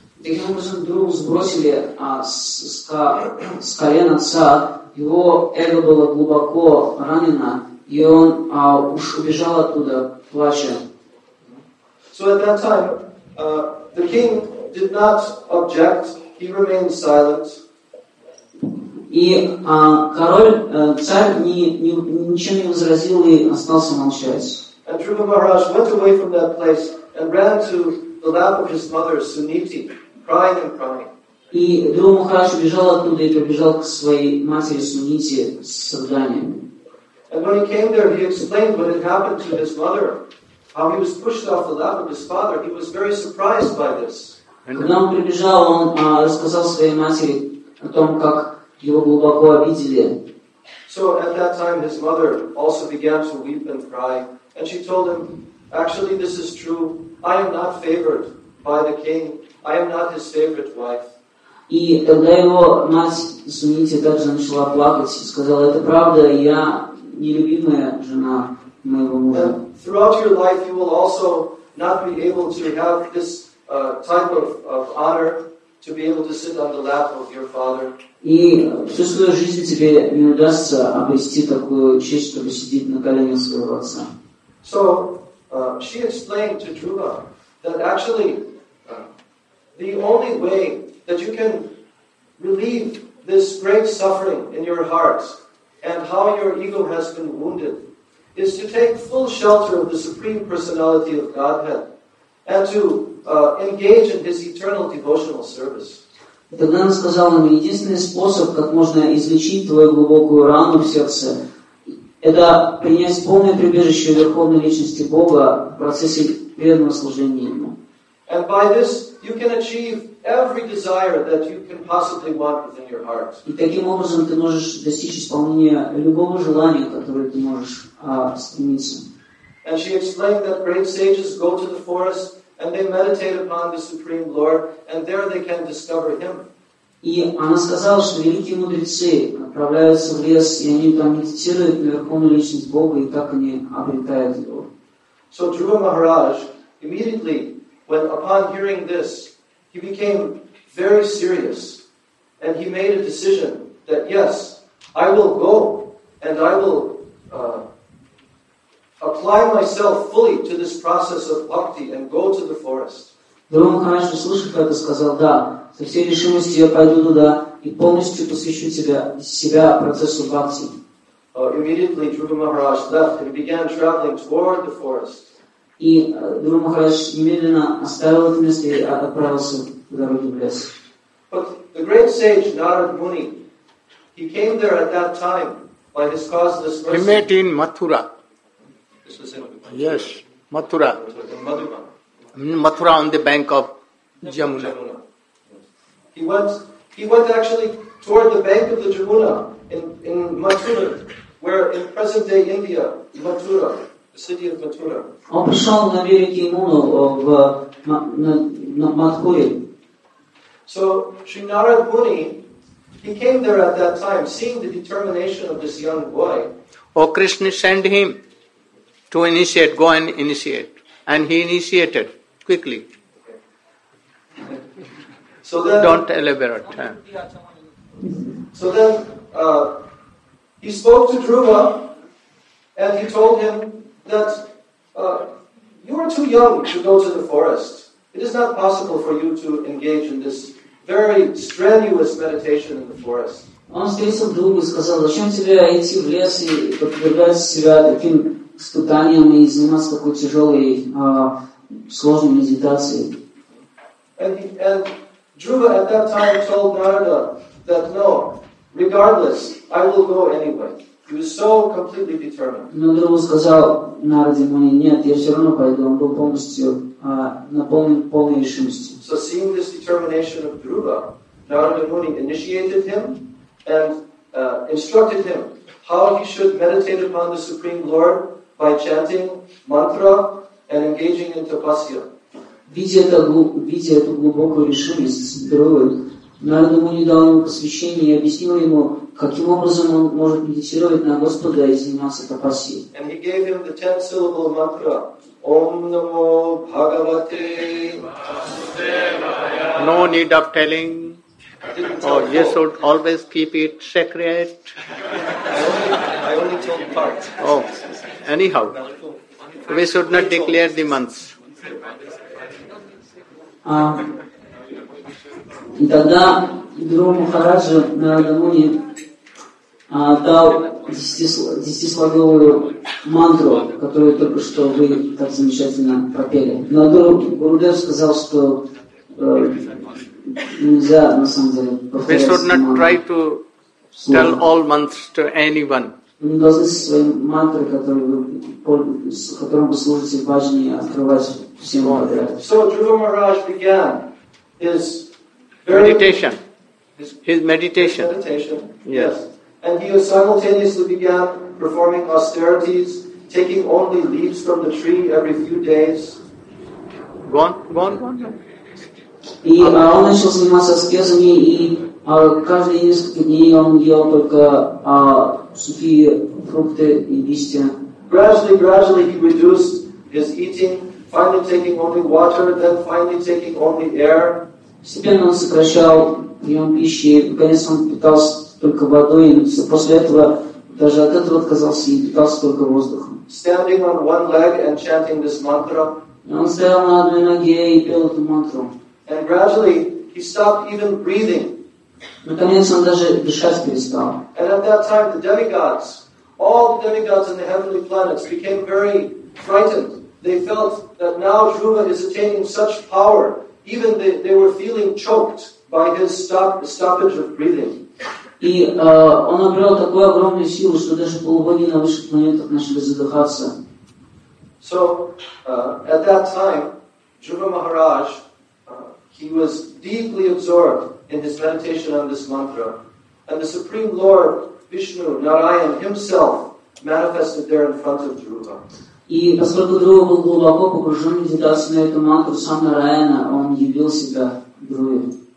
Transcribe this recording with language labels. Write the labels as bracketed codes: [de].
[ru] Таким образом, Дхрува сбросили с колен отца, его эго было глубоко ранено, и он уж убежал оттуда, плача. [en] So at that time, the king did not object, he remained silent. [ru] И царь ничего не возразил и остался молчать. [en] And Dhruva Maharaj went away from that place and ran to the lap of his mother, Suniti, crying and crying. [ru] И Дхрува Махарадж убежал оттуда и побежал к своей матери Сунити с рыданиями. [en] And when he came there, he explained what had happened to his mother. how he was pushed off the lap of his father, he was very surprised by this. [ru] Когда он прибежал, он рассказал своей матери о том, как его глубоко обидели. [en] So at that time his mother also began to weep and cry, and she told him, actually this is true, I am not favored by the king, I am not his favorite wife. [ru] И тогда его мать, извините, также начала плакать и сказала, это правда, я нелюбимая жена моего мужа. [en] And throughout your life you will also not be able to have this type of honor to be able to sit on the lap of your father. [ru] И всю свою жизнь тебе не удастся обрести такую честь, чтобы сидеть на коленях своего отца. [en] So, she explained to Dhruva that actually the only way that you can relieve this great suffering in your heart and how your ego has been wounded is to take full shelter of the Supreme Personality of Godhead and to engage in His eternal devotional service. [ru] Тогда она сказала ему, единственный способ, как можно излечить твою глубокую рану в сердце, это принять полное прибежище Верховной Личности Бога в процессе преданного служения Ему. [en] And by this, you can achieve every desire that you can possibly want within your heart. [ru] И таким образом ты можешь достичь исполнения любого желания, которое ты можешь стремиться. [en] And she explained that great sages go to the forest and they meditate upon the Supreme Lord, and there they can discover Him. [ru] И она сказала, что великие мудрецы отправляются в лес, и они там медитируют на Верховную Личность Бога, и так они обретают Его. [en] So Dhruva Maharaj immediately, when upon hearing this, he became very serious, and he made a decision that yes, I will go, and I will apply myself fully to this process of bhakti and go to the forest. [ru] Dhruva Maharaj, услышав это, сказал, да, со всей решимостью я пойду туда и полностью посвящу себя процессу бхакти. [en] Immediately Dhruva Maharaj left and began traveling toward the forest. [ru] И Dhruva Maharaj немедленно оставил это место и отправился по дороге в лес. [en] But the great sage Narad Muni, he came there at that time by his causeless mercy. He met in Mathura. Yes, Mathura. Mathura on the bank of Jamuna. He went actually toward the bank of the Jamuna in Mathura, where in present day India, Mathura, the city of Mathura. [ru] Он пришел на берег Ямуны в Мадхуре. [en] So Shrinarad Muni, he came there at that time, seeing the determination of this young boy. Oh, Krishna sent him to initiate, go and initiate. And he initiated quickly. Okay. So then, don't elaborate. So then he spoke to Dhruva and he told him that you are too young to go to the forest. It is not possible for you to engage in this very strenuous meditation in the forest. [ru] Он встретил Дхруву и сказал, зачем тебе идти в лес и подвергать себя таким испытанием и заниматься такой тяжелой, сложной медитацией. [en] And Dhruva at that time told Narada that no, regardless, I will go anyway. He was so completely determined. [ru] Но Дхрува сказал Нараде Муни, нет, я все равно пойду. Он был полностью наполнен полной решимостью. [en] So seeing this determination of Dhruva, Narada Muni initiated him and instructed him how he should meditate upon the Supreme Lord by chanting mantra and engaging in tapasya. [ru] Видя эту глубокую решимость Дхрувы, Нарада Муни дал ему посвящение и объяснил ему, каким образом он может медитировать на Господа и заниматься тапасьей. [en] And he gave him the 10-syllable mantra. [sa] Om Namo Bhagavate Vasudevaya. [en] No need of telling. You should always keep it secret. I only told part. Oh. Anyhow, we should not declare the months. [ru] И тогда Дхрува Махарадж Нарада Муни дал 10-слоговую мантру, которую только что вы так замечательно пропели. Но Гурудев сказал, что нельзя на самом деле повторять. [en] We should not try to tell all mantras to anyone. [ru] должны со своим мантрой, которым вы служите в бажане, открывать всем подряд. [en] So Dhruva Maharaj began his meditation. His meditation. Yes. And he simultaneously began performing austerities, taking only leaves from the tree every few days. Go on. [ru] И он начал заниматься аскезами, и каждые несколько дней он ел только сухие фрукты и листья. [en] Gradually he reduced his eating, finally taking only water, then finally taking only air. [ru] Постепенно он сокращал прием пищи, наконец он питался только водой, и после этого даже от этого отказался и питался только воздухом. [en] Standing on one leg and chanting this mantra. [ru] Он стоял на одной ноге и пел эту мантру. [en] And gradually he stopped even breathing. [ru] Наконец он даже дышать перестал. [en] And at that time the demigods, all the demigods in the heavenly planets became very frightened. They felt that now Dhruva is attaining such power. Even they were feeling choked by his stoppage of breathing. [ru] И он обрел такую огромную силу, что даже полубоги на высших планетах начали задыхаться. [en] So, at that time, Dhruva Maharaj, he was deeply absorbed in his meditation on this mantra. And the Supreme Lord, Vishnu, Narayan, himself manifested there in front of Dhruva. [ru] И поскольку Друва был глубоко погружен в медитацию на эту мантру, сам Нараяна, он явил себя Друве.